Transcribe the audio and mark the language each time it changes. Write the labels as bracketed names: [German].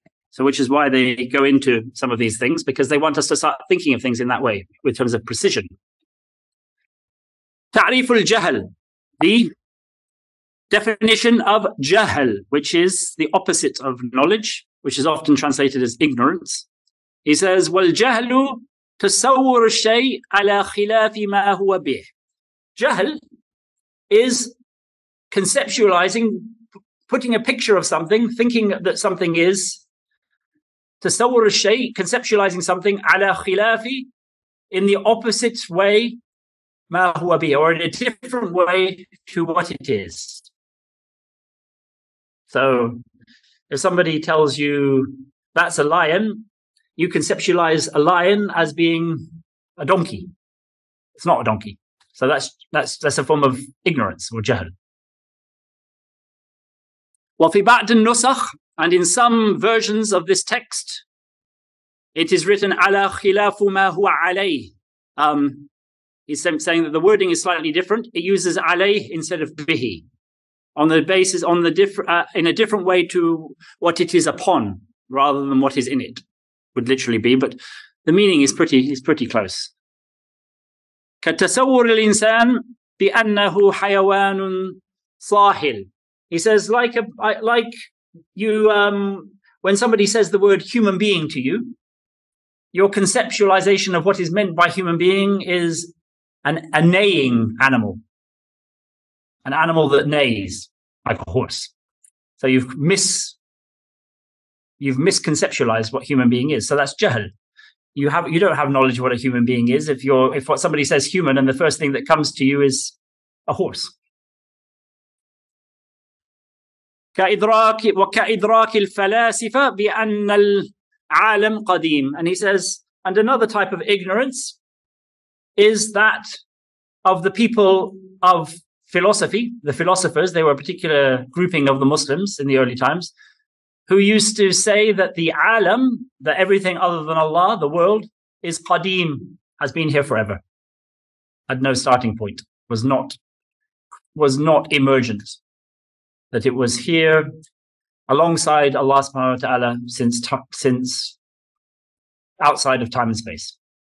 [English] So which is why they go into some of these things, because they want us to start thinking of things in that way, in terms of precision. [Arabic] تعريف الجهل, [English] the definition of جهل, which is the opposite of knowledge, which is often translated as ignorance. He says, [Arabic] والجهل تصور الشيء على خلاف ما هو به. [English] جهل is conceptualizing, putting a picture of something, thinking that something is, [Arabic] تصور الشيء, [English] conceptualizing something, [Arabic] على خلاف, [English] in the opposite way, [Arabic] ما هو به, [English] or in a different way to what it is. So if somebody tells you that's a lion, you conceptualize a lion as being a donkey. It's not a donkey. So that's a form of ignorance or jahl. [Arabic] وفي بعض النسخ, [English] and in some versions of this text, it is written [Arabic] على خلاف ما هو عليه. [English] He's saying that the wording is slightly different. It uses عليه instead of به, on the basis, on the in a different way to what it is upon, rather than what is in it, would literally be. But the meaning is pretty close. [Arabic] كتصور الإنسان بأنه حيوان صاحل. [English] He says, when somebody says the word human being to you, your conceptualization of what is meant by human being is a neighing animal, an animal that neighs like a horse. So you've misconceptualized what human being is. So that's jahl. You don't have knowledge of what a human being is if what somebody says human and the first thing that comes to you is a horse. [Arabic] وكإدراك الفلاسفة بأن العالم قديم. [English] And he says, and another type of ignorance is that of the people of philosophy, the philosophers. They were a particular grouping of the Muslims in the early times. who used to say that the alam, that everything other than Allah, the world, is qadim, has been here forever, had no starting point, was not emergent, that it was here alongside Allah subhanahu wa ta'ala since outside of time and space.